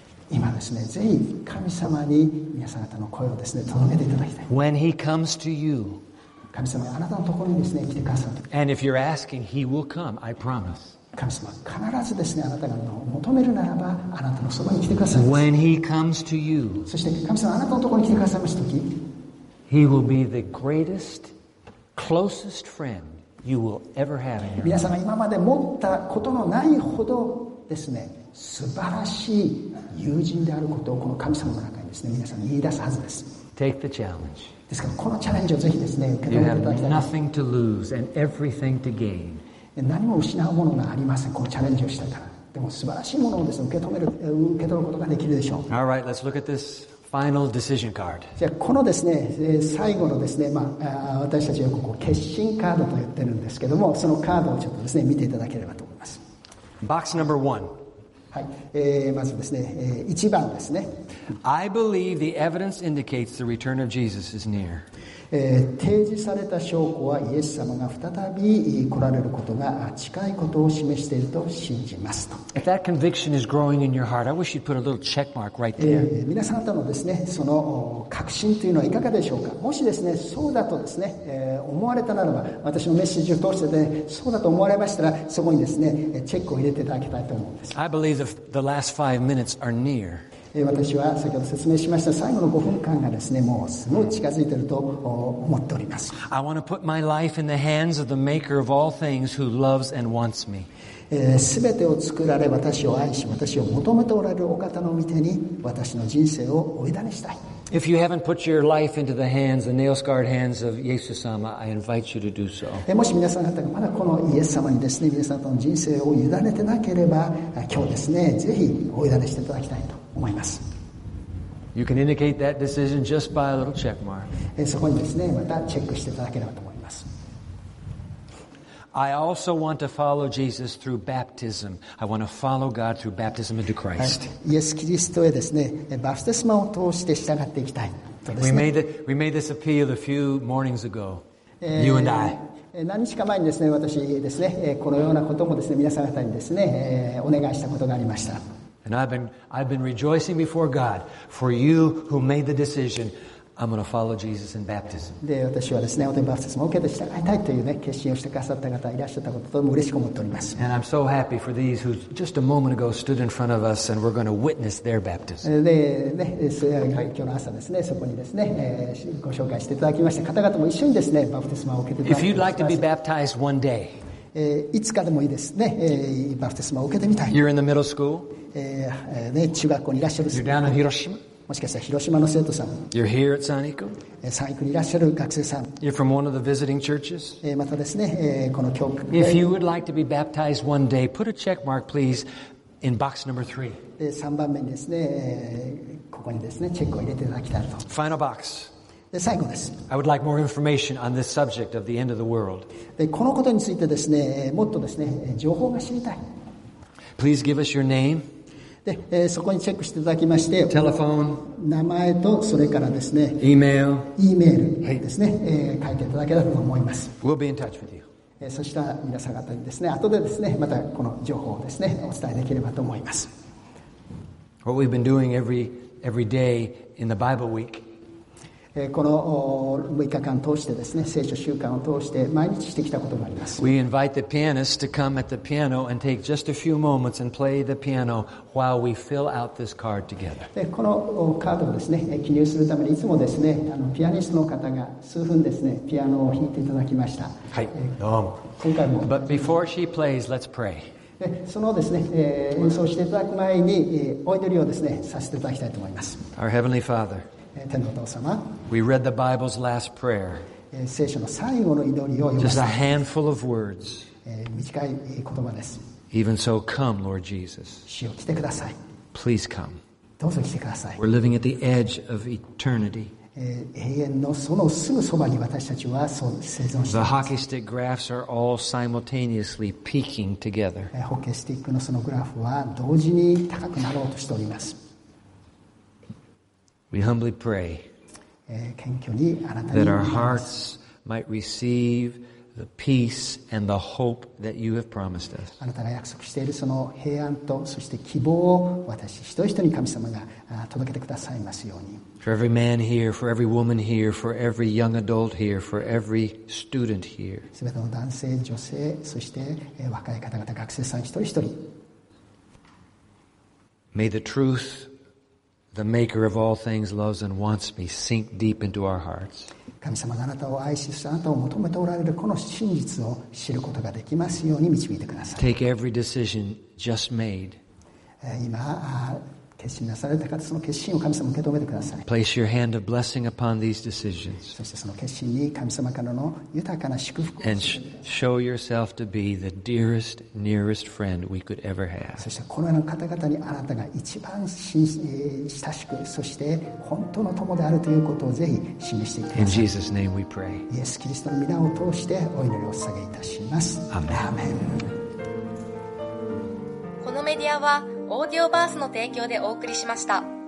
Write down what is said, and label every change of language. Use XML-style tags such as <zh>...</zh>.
<ja>今ですね、ぜひ神様に皆さん方の声をですね、届けていただきたい。</ja> <en>When he comes to you,</en> <ja>神様があなたのところにですね、来てくださると。</ja> <en>And if you're asking, he will come, I promise.</en> <ja>神様必ずですね、あなたが求めるならば、あなたのそばに来てください。</ja> <en>When he comes to you,</en> <ja>そして神様あなたのところに来てくださいますとき、</ja> <en>he will be the greatest, closest friend you will ever have in your life.</en> <ja>皆様今まで持ったことのないほどですね、素晴らしい友人であることをこの神様の中にですね、皆さん言い出すはずです。</ja> <en>Take the challenge.</en> <ja>ですからこのチャレンジをぜひですね、受け止めていただきたい。</ja> <en>You have nothing to lose and everything to gain.</en> <ja>何も失うものがありません。このチャレンジをしたから。でも素晴らしいものをですね、受け取ることができるでしょう。</ja> <en>All right, let's look at this final decision card.</en> <ja>じゃあこのですね、最後のですね、まあ、私たちはここ決心カードと言ってるんですけども、そのカードをちょっとですね、見ていただければと思います。</ja> <en>Box number one.</en> <ja>はい、まずですね、1番ですね。</ja> <en>I believe the evidence indicates the return of Jesus is near.</en> <ja>提示された証拠はイエス様が再び来られることが近いことを示していると信じますと。</ja> <en>If that conviction is growing in your heart, I wish you'd put a little check mark right there.</en> <ja>皆さん方のですね、その確信というのはいかがでしょうか。もしですね、そうだとですね、思われたならば、私のメッセージを通してで、ね、そうだと思われましたら、そこにですね、チェックを入れていただきたいと思うんです。</ja> <en>I believe the last five minutes are near.</en> <ja>私は先ほど説明しました最後の5分間がですね、もうすごい近づいていると思っております。</ja> <en>I want to put my life in the hands of the maker of all things who loves and wants me.</en> <ja>全てを作られ私を愛し私を求めておられるお方の御手に私の人生をお委ねしたい。</ja> <en>If you haven't put your life into the hands, the nail-scarred hands of Yesu-sama, I invite you to do so.</en> <ja>もし皆さん方がまだこのイエス様にですね、皆さんとの人生を委ねてなければ今日ですね、ぜひお委ねしていただきたいと。</ja> <en>You can indicate that decision just by a little check mark.</en> <ja>そこにですね、またチェックしていただければと思います。</ja> <en>I also want to follow Jesus through baptism. I want to follow God through baptism into Christ.</en> <ja>イエス・キリストへですね、バプテスマを通して従っていきたい。</ja> <en>We made this appeal a few mornings ago. You and I.</en> <ja>何日か前にですね、私ですね、このようなこともですね、皆さん方にですね、お願いしたことがありました。</ja> <en>And I've been rejoicing before God for you who made the decision. I'm going to follow Jesus in baptism.</en> <ja>で、私はですね、本当にバプテスマを受けて従いたいというね、決心をしてくださった方がいらっしゃったこととても嬉しく思っております。</ja> <en>And I'm so happy for these who just a moment ago stood in front of us and we're going to witness their baptism.</en> <ja>で、ね、今日の朝ですね、そこにですね、ご紹介していただきました方々も一緒にですね、バプテスマを受けて。</ja> <en>If you'd like to be baptized one day,</en> <ja>いつかでもいいですね、バプテスマを受けてみたい。</ja> <en>You're in the middle school.</en> <ja>ね、中学校にいらっしゃる。</ja> <en>You're down in Hiroshima?</en> <ja>もしかしたら広島の生徒さん。</ja> <en>You're here at Sanico?</en> <ja>Sanicoにいらっしゃる学生さん。</ja> <en>You're from one of the visiting churches?</en> <ja>またですね、この教区で。</ja> <en>If you would like to be baptized one day, put a check mark, please, in box number three.</en> <ja>3番目にですね、ここにですね、チェックを入れていただきたいと。</ja> <en>Final box.</en> <ja>で最後です。</ja> <en>I would like more information on this subject of the end of the world.</en> <ja>でこのことについてですね、もっとですね、情報が知りたい。</ja> <en>Please give us your name.</en> <ja>でそこにチェックしていただきまして、</ja> <en>Telephone、</en> <ja>名前とそれからですね、</ja> <en>email、</en> <ja>e メールですね、はい、書いていただければと思います。</ja> <en>We'll be in touch with you。</en> <ja>そしたら皆さん方にですね、後でですね、またこの情報をですね、お伝えできればと思います。</ja> <en>What we've been doing every day in the Bible week。</en> <ja>この6日間通してですね、聖書週間を通して毎日してきたこともあります。</ja> <en>We invite the pianist to come at the piano and take just a few moments and play the piano while we fill out this card together.</en> <ja>で、このカードをですね、記入するためにいつもですね、ピアニストの方が数分ですね、ピアノを弾いていただきました。はい、どうも。今回も。</ja> <en>But before she plays, let's pray.</en> <ja>でそのですね、演奏していただく前に、お祈りをですね、させていただきたいと思います。</ja> <en>Our Heavenly Father.</en> <ja>天のお父様。</ja> <en>We read the Bible's last prayer.</en> <ja>聖書の最後の祈りを読みました。</ja> <en>Just a handful of words.</en> <ja>短い言葉です。</ja> <en>Even so, come, Lord Jesus.</en> <ja>主よ、来てください。</ja> <en>Please come.</en> <ja>どうぞ来てください。</ja> <en>We're living at the edge of eternity.</en> <ja>永遠のそのすぐそばに私たちは生存しています。</ja> <en>The hockey stick graphs are all simultaneously peaking together.</en> <ja>ホッケースティックのそのグラフは同時に高くなろうとしております。</ja> <en>We humbly pray that our hearts might receive the peace and the hope that you have promised us.</en> <ja>あなたが約束しているその平安とそして希望を私一人一人神様が届けてくださいますように。</ja> <en>For every man here, for every woman here, for every young adult here, for every student here.</en> <ja>すべての男性、女性、そして若い方々、学生さん一人一人。</ja> <en>May the truth. The Maker of all things loves and wants me sink deep into our hearts.</en> <ja>神様があなたを愛し、あなたを求めておられるこの真実を知ることができますように導いてください。</ja> <en>Take every decision just made.</en> <ja>今決心なされた方、その決心を神様受け止めてください。</ja> <en>Place your hand of blessing upon these decisions.</en> <ja>そしてその決心に神様からの豊かな祝福を。</ja> <en>And show yourself to be the dearest, nearest friend we could ever have.</en> <ja>そしてこのような方々にあなたが一番親しく、そして本当の友であるということをぜひ示していただきたい。</ja> <en>In Jesus' name we pray.</en> <ja>イエス・キリストの御名を通してお祈りを捧げいたします。</ja> <en>Amen.</en> <ja>このメディアはオーディオバースの提供でお送りしました。</ja>